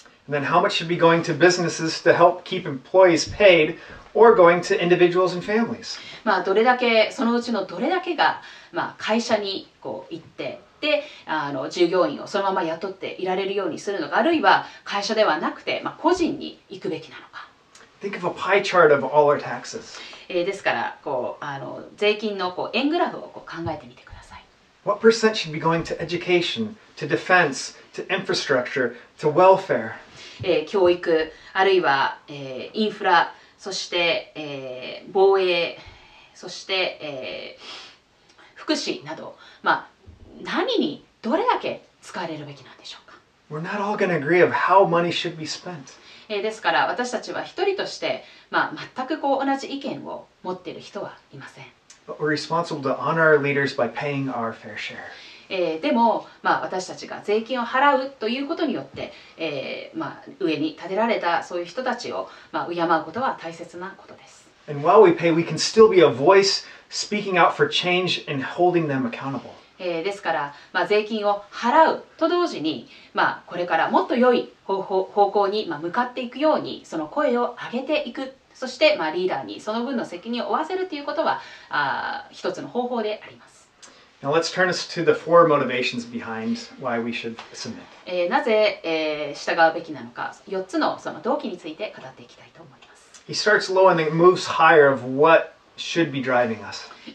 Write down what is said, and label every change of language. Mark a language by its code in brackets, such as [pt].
[en] And then how much should be going to businesses to help keep employees paid or going to individuals and families? [ja] まあどれだけそのうちのどれだけが、まあ、会社にこう行ってで従業員をそのまま雇っていられるようにするのか、あるいは会社ではなくて、まあ、個人に行くべきなのか。 [en] Think of a pie chart of all our taxes. [ja] ですからこう税金のこう円グラフをこう考えてみてください。 [en] What percent should be going to education, to defense, to infrastructure, to welfare? [ja] 教育あるいは、インフラそして、防衛そして、福祉など、まあ、何にどれだけ使われるべきなんでしょうか。 [en] We're not all gonna agree of how money should be spent. [ja] ですから私たちは一人として、まあ、全くこう同じ意見を持っている人はいません。 [en] But we're responsible to honor our leaders by paying our fair share. [ja] でも、まあ、私たちが税金を払うということによって、まあ、上に立てられたそういう人たちを、まあ、敬うことは大切なことです。 [en] And while we pay, we can still be a voice speaking out for change and holding them accountable. [ja] ですから、まあ、税金を払うと同時に、まあ、これからもっと良い方向に、まあ、向かっていくようにその声を上げていく、そして、まあ、リーダーにその分の責任を負わせるということは一つの方法であります。 [en] Now let's turn us to the four motivations behind why we should submit. [ja] なぜ、従うべきなのか、4つのその動機について語っていきたいと思います。 [en] He starts low and then moves higher of what should be driving us.